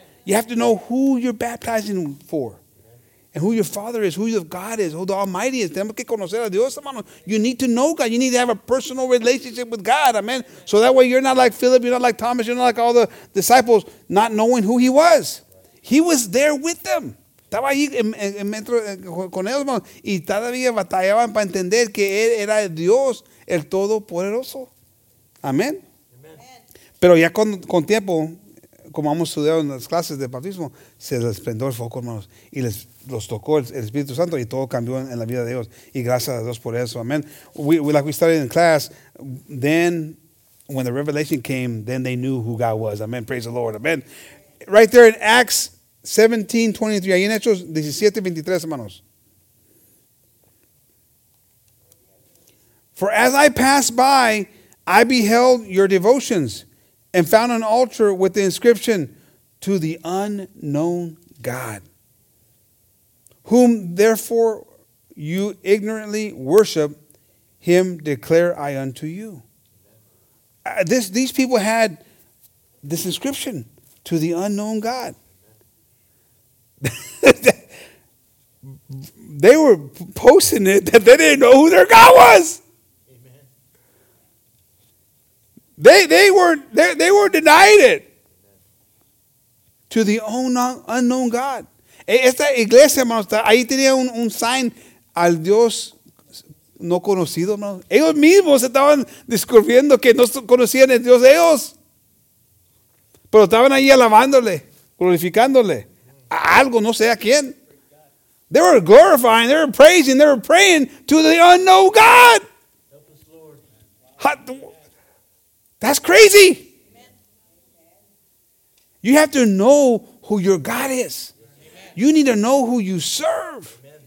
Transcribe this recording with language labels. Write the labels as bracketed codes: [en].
[en] You have to know who you're baptizing for. And who your Father is, who your God is, who the Almighty is. [es] Tenemos que conocer a Dios, hermano. [en] You need to know God. You need to have a personal relationship with God. Amen. So that way you're not like Philip, you're not like Thomas, you're not like all the disciples, not knowing who he was. He was there with them. [es] Estaba ahí con ellos, hermano. Y todavía batallaban para entender que él era Dios, el Todopoderoso. Amen. Pero ya con tiempo, como hemos estudiado en las clases de bautismo, se les prendió el foco, hermanos, y les los tocó el Espíritu Santo y todo cambió en la vida de ellos. Y gracias a Dios por eso. Amen. [en] Like we started in class, then when the revelation came, then they knew who God was. Amen. Praise the Lord. Amen. Right there in Acts 17:23. [es] Ahí en Hechos 17:23, hermanos. [en] For as I passed by, I beheld your devotions and found an altar with the inscription, to the unknown God. Whom therefore you ignorantly worship, him declare I unto you. These people had this inscription to the unknown God. They were posting it that they didn't know who their God was. Amen. They were denying it to the unknown God. [es] Esta iglesia, hermanos, ahí tenía un sign al Dios no conocido, hermanos. Ellos mismos estaban descubriendo que no conocían el Dios de ellos. Pero estaban ahí alabándole, glorificándole a algo, no sé a quién. [en] They were glorifying, they were praising, they were praying to the unknown God. That's crazy. You have to know who your God is. You need to know who you serve.